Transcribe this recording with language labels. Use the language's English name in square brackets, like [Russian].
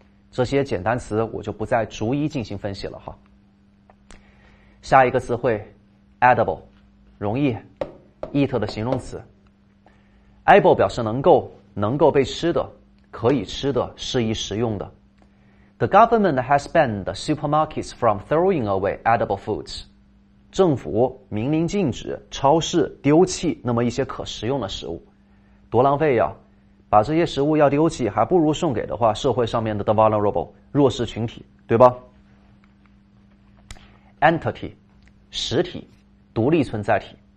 [Chinese] 这些简单词我就不再逐一进行分析了哈。下一个词汇 edible， 容易， eat 的形容词。 able 表示能够，能够被吃的，可以吃的，适宜食用的。 [English] The government has banned the supermarkets from throwing away edible foods。 [Chinese] 政府明令禁止超市丢弃那么一些可食用的食物，多浪费呀！把这些食物要丢弃，还不如送给的话社会上面的 [English] the vulnerable [Chinese] 弱势群体，对吧？ entity 实体，独立存在体。